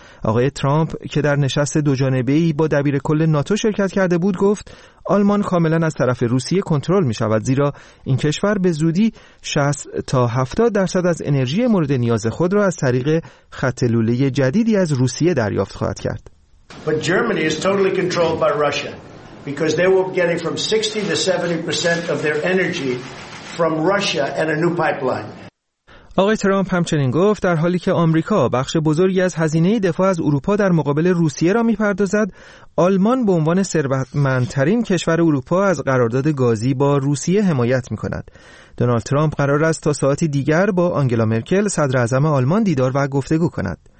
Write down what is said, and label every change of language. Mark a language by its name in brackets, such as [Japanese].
[Persian] آقای ترامپ که در نشست دوجانبه‌ای با دبیر کل ناتو شرکت کرده بود گفت آلمان کاملا از طرف روسیه کنترل می شود، زیرا این کشور به زودی 60-70% از انرژی مورد نیاز خود را از طریق خط لوله جدیدی از روسیه دریافت خواهد کرد. [English] But Germany is totally controlled by Russia because they will be getting from 60-70% of their energy from Russia and a new pipeline. [Persian] آقای ترامپ همچنین گفت در حالی که آمریکا بخش بزرگی از هزینه دفاع از اروپا در مقابل روسیه را می‌پردازد، آلمان به عنوان ثروتمندترین کشور اروپا از قرارداد گازی با روسیه حمایت می‌کند. دونالد ترامپ قرار است تا ساعتی دیگر با آنگلا مرکل صدر اعظم آلمان دیدار و گفتگو کند.